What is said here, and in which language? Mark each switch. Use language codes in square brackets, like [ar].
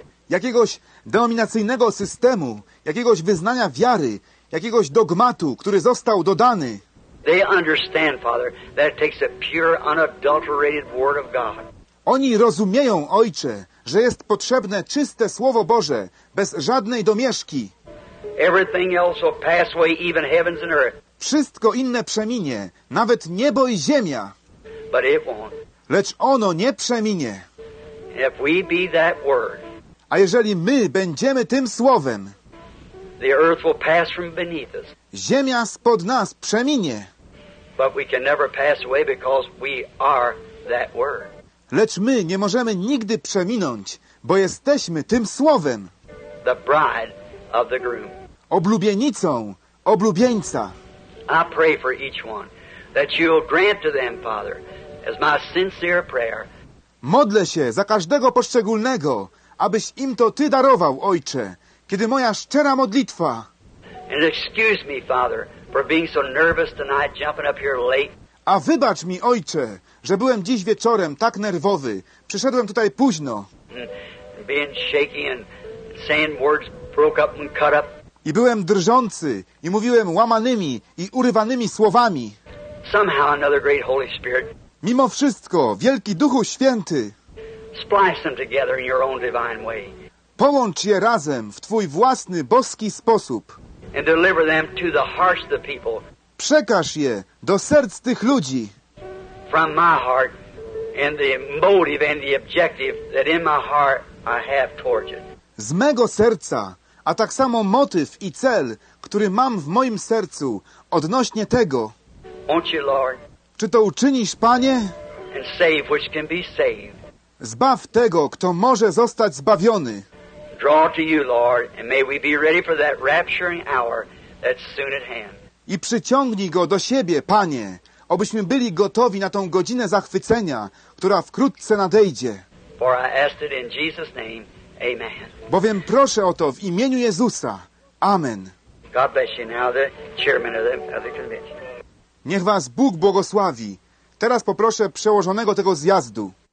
[pl] Jakiegoś denominacyjnego systemu, jakiegoś wyznania wiary, jakiegoś dogmatu, który został dodany. [en] They understand, Father, that it takes a pure, unadulterated word of God. [pl] Oni rozumieją, Ojcze, że jest potrzebne czyste Słowo Boże, bez żadnej domieszki. [en] Everything else will pass away, even heavens and earth. [pl] Wszystko inne przeminie, nawet niebo i ziemia. [en] But it won't. [pl] Lecz ono nie przeminie. [en] If we be that word, [pl] a jeżeli my będziemy tym Słowem, [en] the earth will pass from beneath us. [pl] Ziemia spod nas przeminie. [en] But we can never pass away because we are that word. [pl] Lecz my nie możemy nigdy przeminąć, bo jesteśmy tym Słowem. [en] The bride of the groom. [pl] Oblubienicą, oblubieńca. [en] I pray for each one that you will grant to them, Father, as my sincere prayer. [pl] Modlę się za każdego poszczególnego, abyś im to Ty darował, Ojcze, kiedy moja szczera modlitwa. [en] And excuse me, Father, for being so nervous tonight, jumping up here late. [pl] A wybacz mi, Ojcze, że byłem dziś wieczorem tak nerwowy. Przyszedłem tutaj późno. [en] Being shaky and saying words broke up and cut up. [pl] I byłem drżący i mówiłem łamanymi i urywanymi słowami. [en] Somehow another great Holy Spirit. [pl] Mimo wszystko, wielki Duchu Święty. [en] Splice them together in your own divine way. [pl] Połącz je razem w Twój własny, boski sposób. [en] And deliver them to the hearts of the people. [pl] Przekaż je do serc tych ludzi. [en] From my heart and the motive and the objective that in my heart I have towards it. [pl] Z mego serca, a tak samo motyw i cel, który mam w moim sercu odnośnie tego. [en] Won't you, Lord? [pl] Czy to uczynisz, Panie? [en] And save which can be saved. [pl] Zbaw tego, kto może zostać zbawiony. [en] Draw to you, Lord, and may we be ready for that rapturing hour that's soon at hand. [pl] I przyciągnij go do siebie, Panie, obyśmy byli gotowi na tą godzinę zachwycenia, która wkrótce nadejdzie. [en] For I ask it in Jesus' name. Amen. [pl] Bowiem proszę o to w imieniu Jezusa. Amen. [en] God bless you now, the chairman of the convention. [pl] Niech Was Bóg błogosławi. Teraz poproszę przełożonego tego zjazdu.